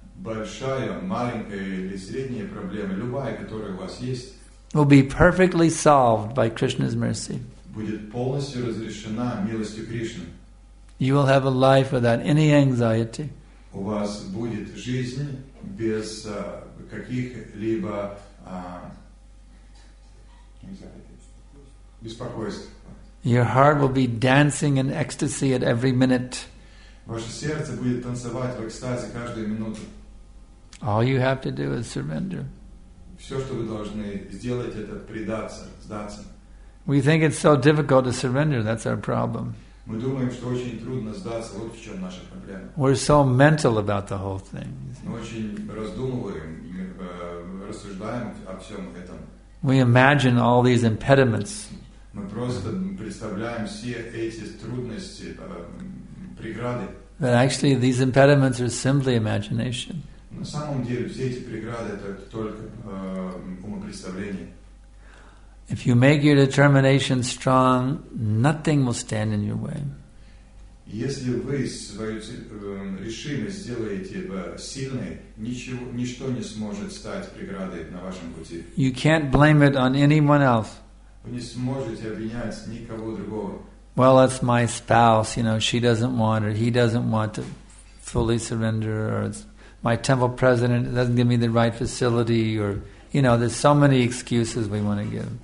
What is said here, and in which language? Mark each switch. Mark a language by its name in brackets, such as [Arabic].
[Russian] большая, маленькая или средняя проблема, любая, которая у вас есть, [English] will be perfectly solved by Krishna's mercy. [Russian] Будет полностью разрешена милостью Кришны. [English] You will have a life without any anxiety. [Russian] У вас будет жизнь без каких-либо беспокойств. [English] Your heart will be dancing in ecstasy at every minute. [Russian] Ваше сердце будет танцевать в экстазе каждую минуту. [English] All you have to do is surrender. [Russian] Все, что вы должны сделать, это предаться, сдаться. [English] We think it's so difficult to surrender. That's our problem. [Russian] Мы думаем, что очень трудно сдаться. Вот в чем наша проблема. [English] We're so mental about the whole thing. [Russian] Мы очень раздумываем, рассуждаем о всем этом. [English] We imagine all these impediments. [Russian] Мы просто представляем все эти трудности, преграды. [English] But actually, these impediments are simply imagination. [Russian] На самом деле, все эти преграды — это только умопредставление. [English] If you make your determination strong, nothing will stand in your way. [Russian] Если вы свою решимость сделаете сильной, ничто не сможет стать преградой на вашем пути. [English] You can't blame it on anyone else. [Russian] Вы не сможете обвинять никого другого. [English] Well, it's my spouse, you know, she doesn't want it, he doesn't want to fully surrender, or it's my temple president doesn't give me the right facility, or, you know, there's so many excuses we want to give.